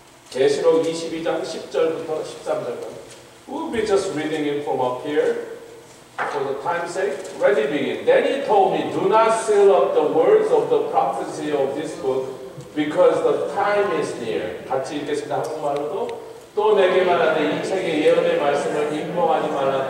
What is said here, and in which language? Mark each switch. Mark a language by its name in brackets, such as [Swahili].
[Korean] 계시록 22장 10절부터 13절까지. [English] We'll be just reading it from up here. For the time's sake, ready begin. Then he told me, do not seal up the words of the prophecy of this book, because the time is near. [Korean] 같이 읽겠습니다. 한국말로도. 또 내게 말하되 이 책의 예언의 말씀을 임명하지 말라.